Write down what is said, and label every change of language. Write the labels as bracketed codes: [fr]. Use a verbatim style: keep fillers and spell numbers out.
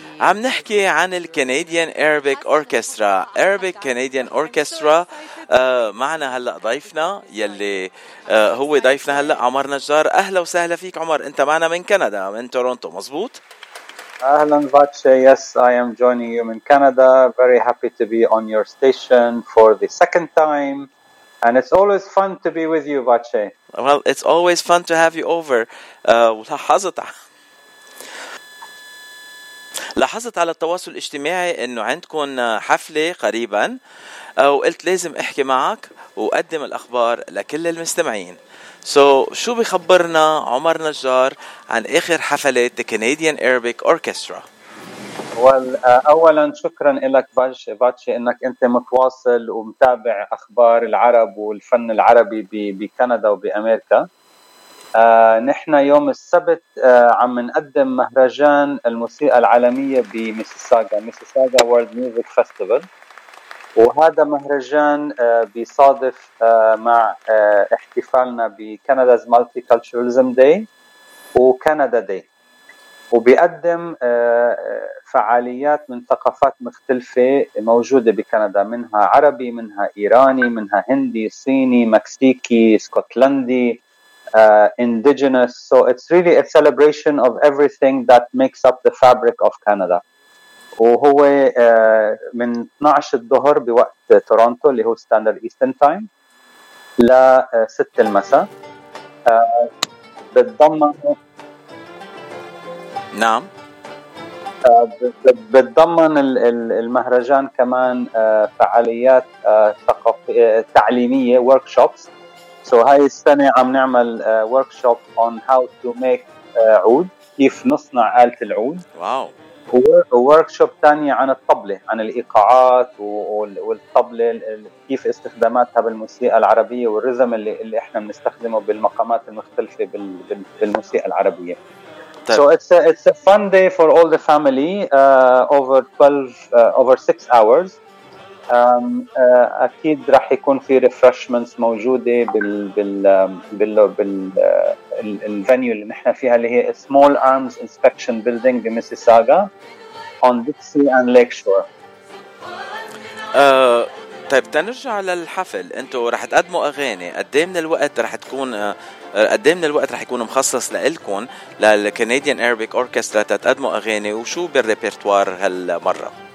[ar] عم نحكي عن الكنديان أرابيك أوركسترا، أرابيك كنديان أوركسترا. معنا هلأ ضيفنا يلي آه هو ضيفنا هلأ عمر نجار. أهلا وسهلا فيك عمر، أنت معنا من كندا، من تورونتو، مزبوط؟ أهلا فاتشي. [en] Yes, I am joining you [ar] من [en] Canada. Very happy to be on your station for the second time. And it's always fun to be with you, Vache. Well, it's always fun to have you over. [ar] Uh, لاحظت لاحظت على التواصل الاجتماعي أنه عندكم حفلة قريبا، وقلت لازم أحكي معك وأقدم الأخبار لكل المستمعين. So, شو بيخبرنا عمر نجار عن آخر حفلة The Canadian Arabic Orchestra؟ أولا شكرا لك فاتشي أنك أنت متواصل ومتابع أخبار العرب والفن العربي بكندا وبأمريكا. آه، نحن يوم السبت آه، عم نقدم مهرجان الموسيقى العالمية بميسيساغا، ميسيساغا وورلد ميوزك فيستيفال. وهذا مهرجان آه، بيصادف آه، مع آه، احتفالنا بكندا's مالتي كالتشراليزم داي وكندا داي، وبيقدم آه، فعاليات من ثقافات مختلفة موجودة بكندا، منها عربي، منها إيراني، منها هندي، صيني، مكسيكي، اسكتلندي. [en] Uh, indigenous. So it's really a celebration of everything that makes up the fabric of Canada. [ar] وهو uh, من twelve الظهر بوقت تورونتو اللي هو Standard Eastern Time ل six المساء. uh, بتضمن نعم uh, بتضمن المهرجان كمان uh, فعاليات uh, تعليمية workshops. So هاي السنة عم نعمل uh, [en] workshop on how to make [ar] uh, عود، كيف نصنع آلة العود. واو. ووركشوب تانية عن الطبلة، عن الإيقاعات والطبلة، كيف استخداماتها بالموسيقى العربية والرزم اللي, اللي احنا بنستخدمه بالمقامات المختلفة بالموسيقى العربية. [en] So it's a, it's a fun day for all the family uh, over twelve uh, over six hours. [ar] أكيد راح يكون في ريفرشمنتس موجودة بال بال بال بال الفانيو اللي نحن فيها اللي هي Small Arms Inspection Building بميسيساغا [en] on Dixie and Lakeshore. [ar] آه، طيب تنرجع للحفل، أنتوا راح تقدموا أغاني قديه من الوقت راح تكون قديه من الوقت راح يكون مخصص لإلكم للكنديان أرابيك أوركسترا تقدموا أغاني، وشو بالريبرتوار هالمرة؟